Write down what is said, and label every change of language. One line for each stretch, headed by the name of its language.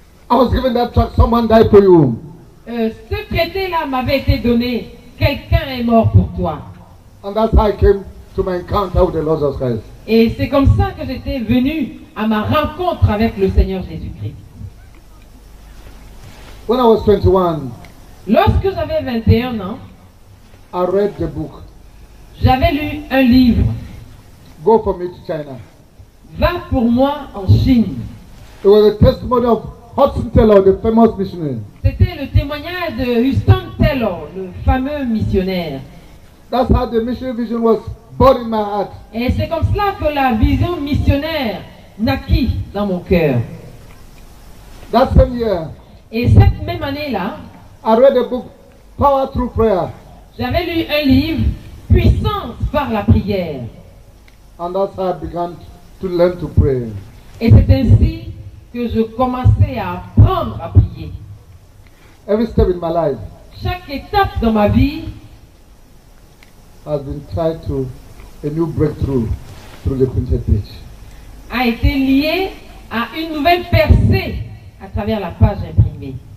English: I was given that tract, someone died for you.
French: Ce traité-là m'avait été donné. Quelqu'un est mort pour toi.
English: And that's how I came to my encounter with the Lord Jesus Christ.
French: Et c'est comme ça que j'étais venu à ma rencontre avec le Seigneur Jésus-Christ.
English: When I was 21,
French: lorsque j'avais 21 ans,
English: I read the book.
French: J'avais lu un livre.
English: Go for me to China.
French: Va pour moi en Chine.
English: It was a testimony of Hudson Taylor, the famous missionary.
French: C'était le témoignage de Hudson Taylor, le fameux missionnaire.
English: That's how the missionary vision was born in my heart.
French: Et c'est comme cela que la vision missionnaire naquit dans mon cœur.
English: That same year,
French: et cette même année-là,
English: I read a book, Power Through Prayer.
French: J'avais lu un livre, Puissance par la prière.
English: And that's how I began to learn to pray.
French: Et c'est ainsi que je commençais à apprendre à prier.
English: Every step in my life,
French: chaque étape dans ma vie,
English: has been tied to a new breakthrough through the printed page.
French: A été lié à une nouvelle percée à travers la page imprimée.